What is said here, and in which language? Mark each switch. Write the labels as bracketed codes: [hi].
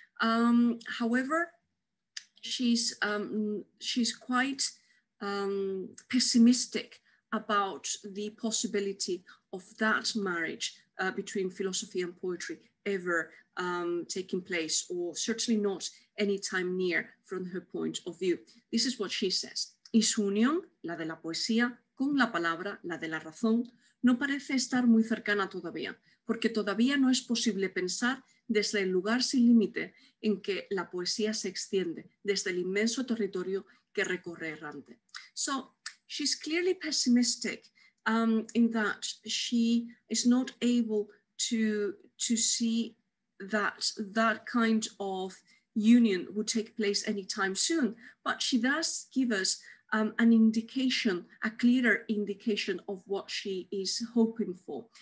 [en] However, she's quite pessimistic about the possibility of that marriage between philosophy and poetry ever taking place, or certainly not anytime near from her point of view. This is what she says. [es] Y su unión, la de la poesía, con la palabra, la de la razón, no parece estar muy cercana todavía, porque todavía no es posible pensar desde el lugar sin límite en que la poesía se extiende, desde el inmenso territorio que recorre errante. [en] So, she's clearly pessimistic in that she is not able to see that that kind of union would take place anytime soon, but she does give us an indication, a clearer indication of what she is hoping for.